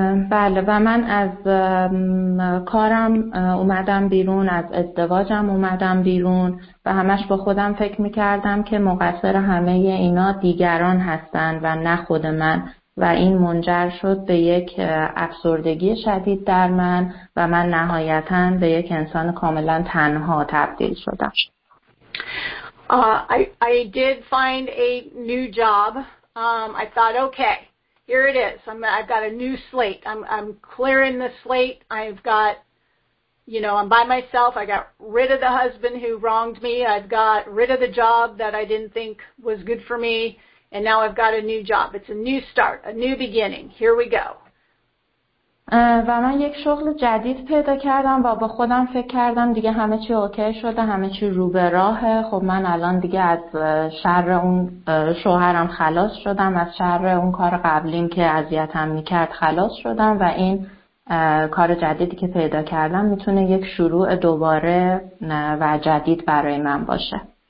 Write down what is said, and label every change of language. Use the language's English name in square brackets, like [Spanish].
[Persian] بله، و من از کارم اومدم بیرون، از ازدواجم اومدم بیرون و همش با خودم فکر میکردم که مقصر همه اینا دیگران هستند و نه خود من، و این منجر شد به یک افسردگی شدید در من و من نهایتاً به یک انسان کاملا تنها تبدیل شدم. [English] I did find a new job. I thought, okay, here it is. I've got a new slate. I'm clearing the slate. I've got, you know, I'm by myself. I got rid of the husband who wronged me. I've got rid of the job that I didn't think was good for me. And now I've got a new job. It's a new start, a new beginning. Here we go. [Persian] و من یک شغل جدید پیدا کردم و با خودم فکر کردم دیگه همه چی اوکی شده، همه چی رو به راهه. خب من الان دیگه از شر اون شوهرم خلاص شدم، از شر اون کار قبلیم که اذیتم میکرد خلاص شدم و این کار جدیدی که پیدا کردم میتونه یک شروع دوباره و جدید برای من باشه.